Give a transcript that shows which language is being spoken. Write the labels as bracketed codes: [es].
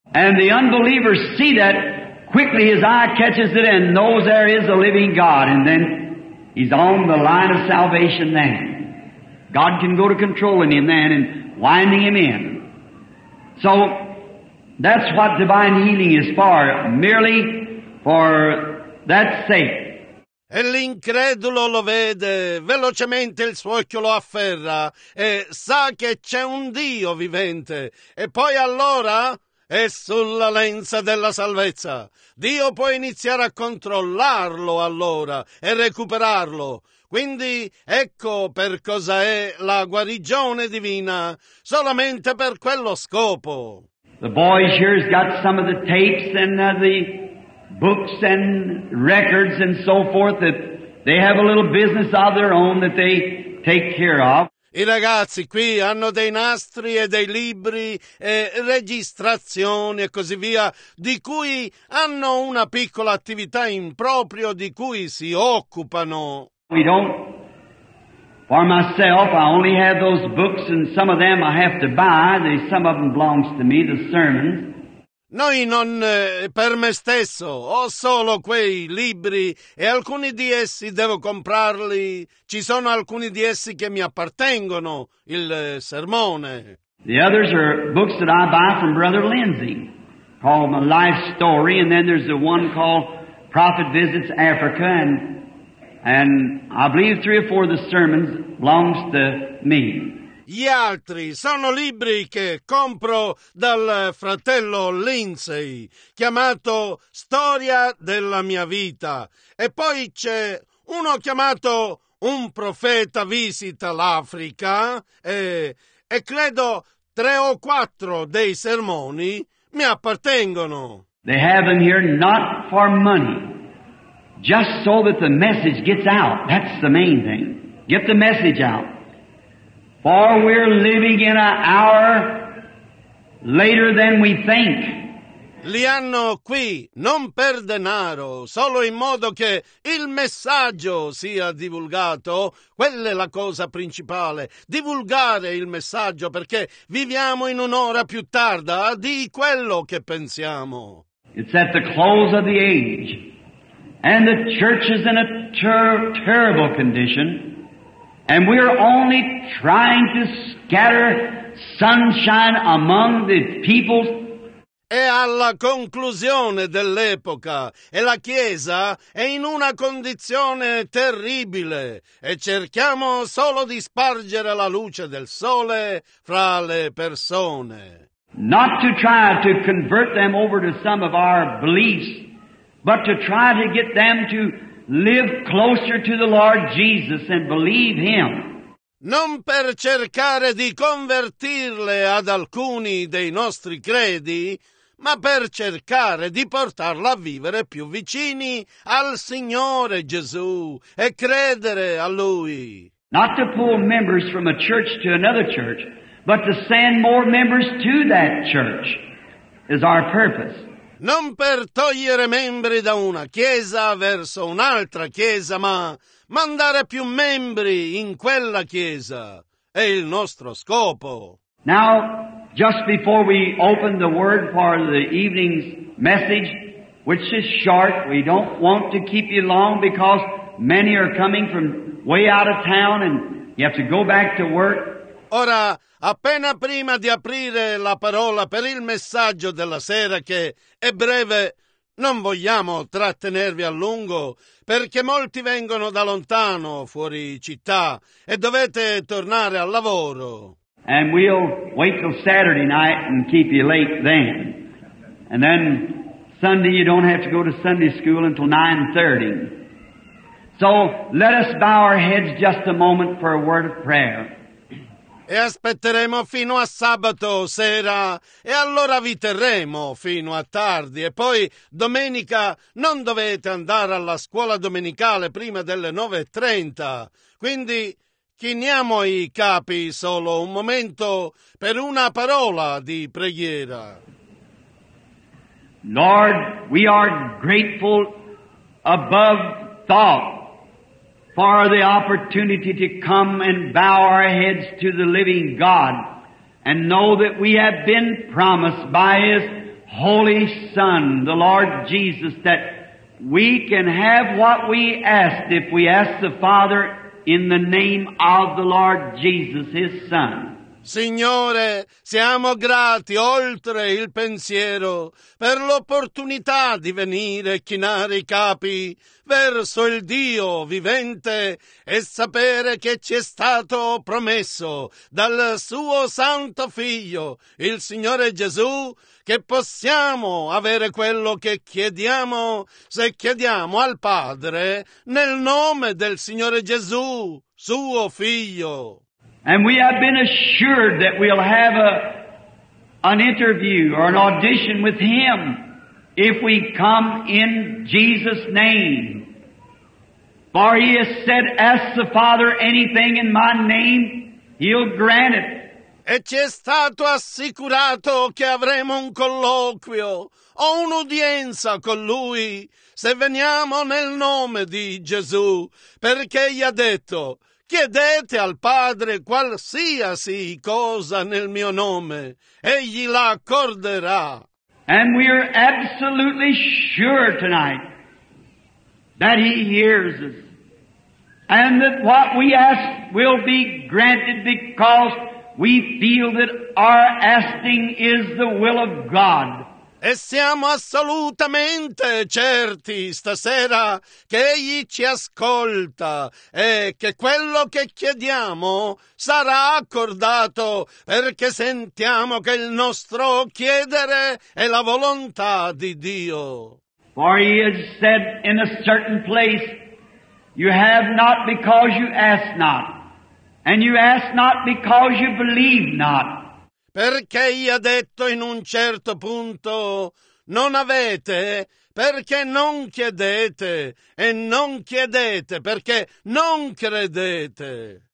[en] And the unbeliever see that, quickly his eye catches it and knows there is a living God, and then he's on the line of salvation then. God can go to controlling him then and winding him in. So that's what divine healing is for, merely for that sake. [it] E l'incredulo lo vede, velocemente il suo occhio lo afferra e sa che c'è un Dio vivente. E poi allora è sulla lenza della salvezza. Dio può iniziare a controllarlo allora e recuperarlo. Quindi ecco per cosa è la guarigione divina, solamente per quello scopo. [en] The boys here has got some of the tapes and the books and records and so forth that they have a little business of their own that they take care of. [it] I ragazzi qui hanno dei nastri e dei libri e registrazioni e così via, di cui hanno una piccola attività in proprio di cui si occupano. [en] We don't, for myself, I only have those books and some of them I have to buy, some of them belongs to me, the sermons. [it] Noi non per me stesso, ho solo quei libri e alcuni di essi devo comprarli, ci sono alcuni di essi che mi appartengono, il sermone. [en] The others are books that I buy from Brother Lindsay, called My Life Story, and then there's the one called Prophet Visits Africa, and I believe three or four of the sermons belongs to me. [it] Gli altri sono libri che compro dal fratello Lindsay, chiamato Storia della mia vita. E poi c'è uno chiamato Un profeta visita l'Africa e credo tre o quattro dei sermoni mi appartengono. [en] They have them here not for money, just so that the message gets out. That's the main thing. Get the message out. For we're living in an hour later than we think. [it] Li hanno qui, non per denaro, solo in modo che il messaggio sia divulgato. Quella è la cosa principale, divulgare il messaggio, perché viviamo in un'ora più tarda di quello che pensiamo. [en] It's at the close of the age, and the church is in a terrible condition. And we're only trying to scatter sunshine among the people. [it] È alla conclusione dell'epoca e la Chiesa è in una condizione terribile e cerchiamo solo di spargere la luce del sole fra le persone. [en] Not to try to convert them over to some of our beliefs, but to try to get them to live closer to the Lord Jesus and believe Him. [it] Non per cercare di convertirle ad alcuni dei nostri credi, ma per cercare di portarla a vivere più vicini al Signore Gesù e credere a Lui. [en] Not to pull members from a church to another church, but to send more members to that church is our purpose. [it] Non per togliere membri da una chiesa verso un'altra chiesa, ma mandare più membri in quella chiesa è il nostro scopo. [en] Now, just before we open the word for the evening's message, which is short, we don't want to keep you long because many are coming from way out of town and you have to go back to work. [it] Ora, appena prima di aprire la parola per il messaggio della sera, che è breve, non vogliamo trattenervi a lungo, perché molti vengono da lontano, fuori città, e dovete tornare al lavoro. [en] And we'll wait till Saturday night and keep you late then. And then Sunday you don't have to go to Sunday school until 9:30. So let us bow our heads just a moment for a word of prayer. [it] E aspetteremo fino a sabato sera e allora vi terremo fino a tardi. E poi domenica non dovete andare alla scuola domenicale prima delle 9:30. Quindi chiniamo i capi solo un momento per una parola di preghiera. [en] Lord, we are grateful above thought for the opportunity to come and bow our heads to the living God and know that we have been promised by His Holy Son, the Lord Jesus, that we can have what we ask if we ask the Father in the name of the Lord Jesus, His Son. [it] Signore, siamo grati oltre il pensiero per l'opportunità di venire chinare i capi verso il Dio vivente e sapere che ci è stato promesso dal suo santo Figlio, il Signore Gesù, che possiamo avere quello che chiediamo se chiediamo al Padre nel nome del Signore Gesù, suo Figlio. [en] And we have been assured that we'll have an interview or an audition with Him if we come in Jesus' name. For He has said, ask the Father anything in my name, He'll grant it. [it] E ci è stato assicurato che avremo un colloquio o un'udienza con Lui se veniamo nel nome di Gesù, perché Gli ha detto: chiedete al Padre qualsiasi cosa nel mio nome, egli la accorderà. [en] And we are absolutely sure tonight that He hears us, and that what we ask will be granted because we feel that our asking is the will of God. [it] E siamo assolutamente certi stasera che Egli ci ascolta e che quello che chiediamo sarà accordato, perché sentiamo che il nostro chiedere è la volontà di Dio. [en] For He has said in a certain place, you have not because you ask not, and you ask not because you believe not. [it] Perché Egli ha detto in un certo punto, non avete perché non chiedete, e non chiedete perché non credete.